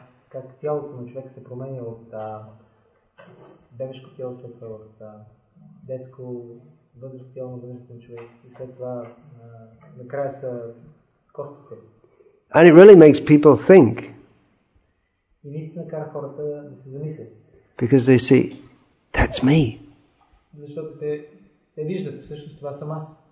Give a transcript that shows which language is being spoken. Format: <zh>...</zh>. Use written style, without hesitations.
<bg>Как тялото на човек се променя от бебешко тяло, след това от детско възрастно тяло на възрастен човек и след това накрая са костите.</bg> <en>And it really makes people think.</en> <bg>И наистина кара хората да се замислят.</bg> <en>Because they see, that's me.</en> <bg>Защото те виждат, всъщност това съм аз.</bg>